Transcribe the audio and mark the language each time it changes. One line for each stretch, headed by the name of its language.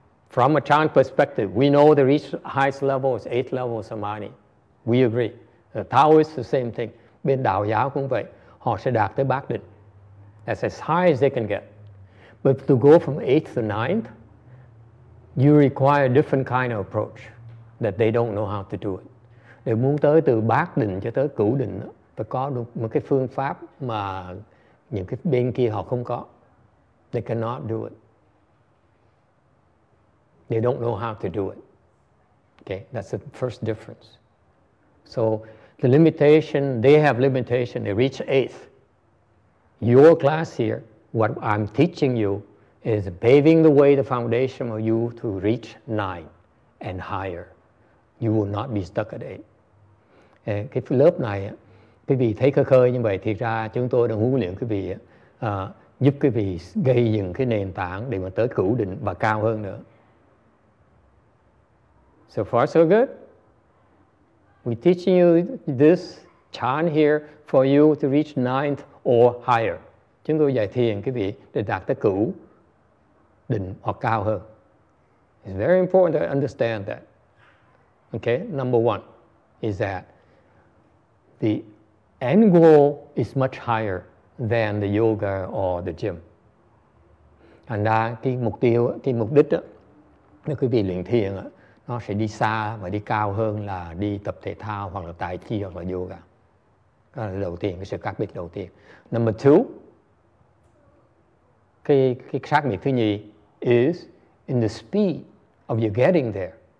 English: From a Chan perspective, we know the highest level is eighth level samadhi. We agree. The Taoists, the same thing.
Vietnamese: Bên đạo giáo cũng vậy. Họ sẽ đạt tới bát định.
English: That's as high as they can get. But to go from eighth to ninth, you require a different kind of approach that they don't know how to do it.
Vietnamese: Để muốn tới từ bát định cho tới cửu định, phải có được một cái phương pháp mà những cái bên kia họ không có.
English: They cannot do it. They don't know how to do it. Okay, that's the first difference. So the limitation, they have limitation, they reach eighth. Your class here, what I'm teaching you, is paving the way, the foundation of you to reach nine and higher. You will not be stuck at eight.
Vietnamese: Cái lớp này, quý vị thấy khơi khơi như vậy, thì ra chúng tôi đang huấn luyện quý vị, giúp quý vị gây dựng cái nền tảng để mà tới cửu định và cao hơn nữa.
English: So far so good. We're teaching you this chan here for you to reach ninth or higher.
Vietnamese: Chúng tôi dạy thiền quý vị để đạt tới cửu định hoặc cao hơn.
English: It's very important to understand that. Okay, number one is that the end goal is much higher than the yoga or the gym.
Vietnamese: Thành ra cái mục tiêu, cái mục đích đó, nếu quý vị luyện thiền đó, nó sẽ đi xa và đi cao hơn là đi tập thể thao hoặc là tai chi hoặc là yoga. Đó là đầu tiên, cái sự khác biệt đầu tiên.
English: Number two,
Vietnamese: cái khác biệt thứ nhì
English: is in the speed of your getting there.